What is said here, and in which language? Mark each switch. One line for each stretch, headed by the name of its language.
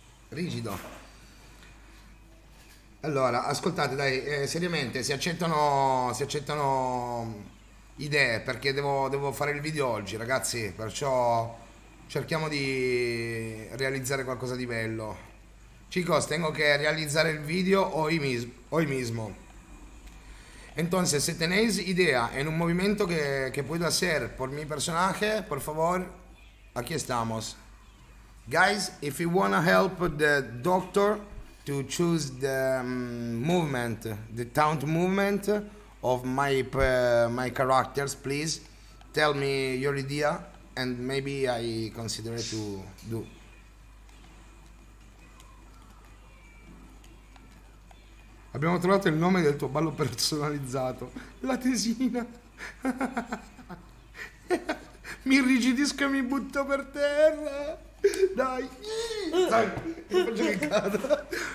Italian: Rigido. Allora, ascoltate, dai, seriamente, si accettano idee, perché devo fare il video oggi, ragazzi, perciò cerchiamo di realizzare qualcosa di bello.
Spanish: Chicos, tengo que
Italian: realizzare il video
Spanish: hoy mismo. Entonces, si tenéis idea en un movimiento que puedo hacer por mi personaje, por favor, aquí estamos.
English: Guys, if you wanna help the doctor to choose the movement, the taunt movement of my characters, please tell me your idea and maybe I consider it to do.
Italian: Abbiamo trovato il nome del tuo ballo personalizzato, la tesina. Mi irrigidisco e mi butto per terra. Dai, dai, faccio che cada.